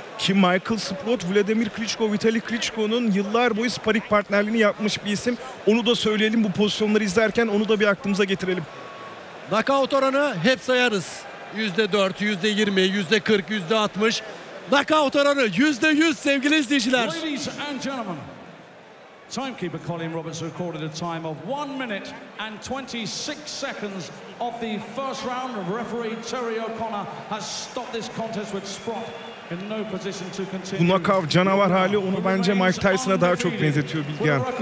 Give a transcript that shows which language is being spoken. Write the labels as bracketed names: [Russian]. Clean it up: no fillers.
[Turkish] Ki Michael Sprott, Vladimir Klitschko, Vitali Klitschko'nun yıllar boyu sparring partnerliğini yapmış bir isim. Onu da söyleyelim bu pozisyonları izlerken, onu da bir aklımıza getirelim. Knockout oranı hep sayarız. %4, %20, %40, %60. Knockout oranı %100 sevgili izleyiciler. [English] Ladies and gentlemen, timekeeper Colin Roberts recorded a time of 1 minute and 26 seconds of the first round. Referee Terry O'Connor has stopped this contest with Sprott in no position to continue. [Turkish] Bu knockout canavar hali onu bence Mike Tyson'a daha çok benzetiyor Bilgehan.